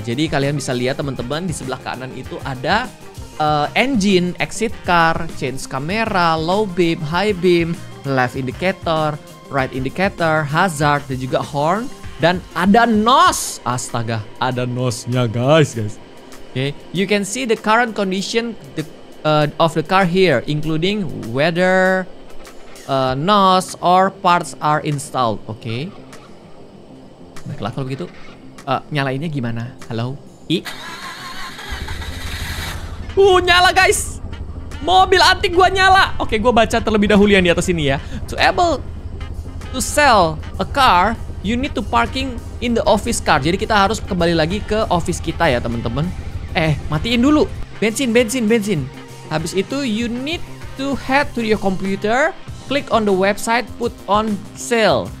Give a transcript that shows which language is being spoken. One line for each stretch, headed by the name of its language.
Indonesian: Jadi kalian bisa lihat teman-teman, di sebelah kanan itu ada engine, exit car, change camera, low beam, high beam, left indicator, right indicator, hazard, dan juga horn, dan ada nos. Astaga, ada nosnya guys. Okay.
English: You can see the current condition of the car here, including whether nos or parts are installed. Okay.
Indonesian: Baiklah kalau begitu, nyalainnya gimana? Halo? Nyala guys! Mobil antik gua nyala! Oke, gua baca terlebih dahulu yang di atas ini ya.
English: To able to sell a car, you need to parking in the office car.
Indonesian: Jadi kita harus kembali lagi ke office kita ya teman-teman. Matiin dulu. Bensin. Habis itu,
English: you need to head to your computer, click on the website, put on sale.